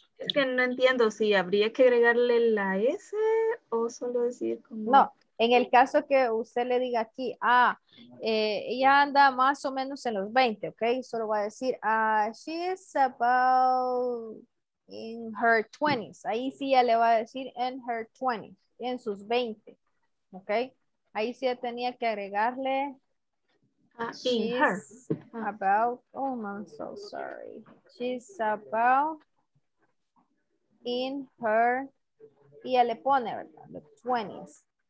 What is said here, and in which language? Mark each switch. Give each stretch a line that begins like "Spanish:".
Spanish: Es que no entiendo si habría que agregarle la S o solo decir como. No, en el caso que usted le diga aquí, ella anda más o menos en los 20, ok. Solo va a decir,
English: she is about in her 20s.
Spanish: Ahí sí ya le va a decir
English: in her 20s,
Spanish: en sus 20, ok. Ahí sí ya tenía que agregarle.
English: She's about, oh, I'm so sorry. She's about in her,
Spanish: y ya le pone, ¿verdad?
English: The 20s.